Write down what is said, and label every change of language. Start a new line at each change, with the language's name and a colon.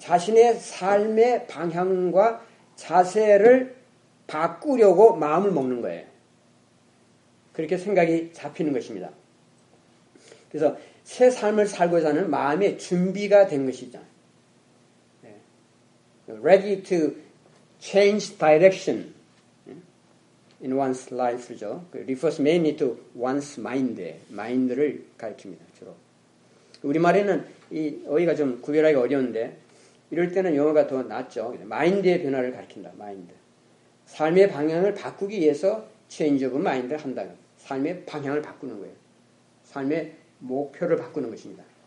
Korean: 자신의 삶의 방향과 자세를 바꾸려고 마음을 먹는 거예요. 그렇게 생각이 잡히는 것입니다. 그래서 새 삶을 살고자 하는 마음의 준비가 된 것이죠.
English: Ready to change direction in one's life죠. Refers mainly to one's mind.
Korean: Mind를 가르칩니다. 주로. 우리말에는 이 어휘가 좀 구별하기 어려운데 이럴 때는 영어가 더 낫죠. Mind의 변화를 가르친다.
English: Mind.
Korean: 삶의 방향을 바꾸기 위해서 change of mind를 한다. 삶의 방향을 바꾸는 거예요. 삶의 목표를 바꾸는 것입니다.